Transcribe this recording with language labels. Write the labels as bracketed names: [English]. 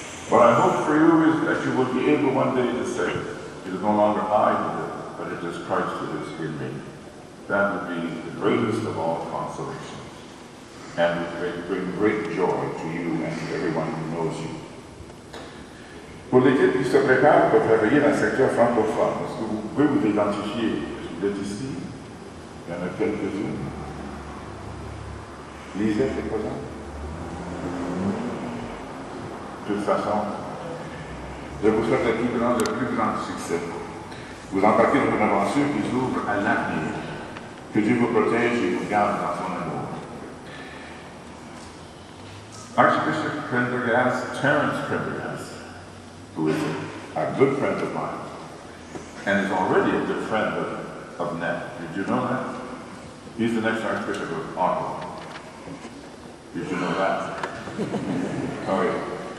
[English] What I hope for you is that you will be able one day to say, it is no longer I who live, but it is Christ who lives in me. That would be the greatest of all consolations, and would bring great joy to you and to everyone who knows you. [French] Pour l'équipe qui se prépare pour travailler dans le secteur francophone, est-ce que vous pouvez vous identifier? Vous êtes ici? Il y en a quelques-unes. Lisette est présente? De toute façon, je vous souhaite le plus grand succès. Vous embarquez dans une aventure qui s'ouvre à l'avenir. Que Dieu vous protège et vous garde dans son amour. [English] Archbishop Prendergast, Terence Prendergast, who is a good friend of mine, and is already a good friend of Ned. Did you know that? He's the next Archbishop of Ottawa. Did you know that? Oh yeah.